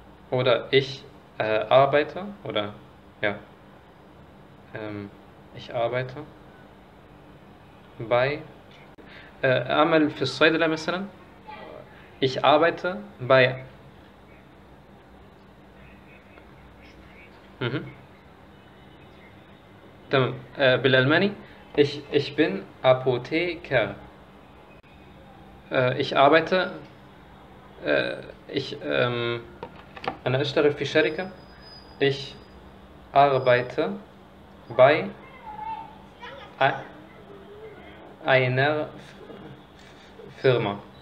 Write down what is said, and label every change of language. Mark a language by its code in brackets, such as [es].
[de] Oder ich arbeite oder ja. Ich arbeite bei [ar] أعمل في الصيدلة مثلا. [de] Ich arbeite bei [ar] تمام بالألماني [de] ich bin Apotheker. Ich arbeite ich [ar] أنا أشتغل في شركة. [de] Ich arbeite bei einer Firma.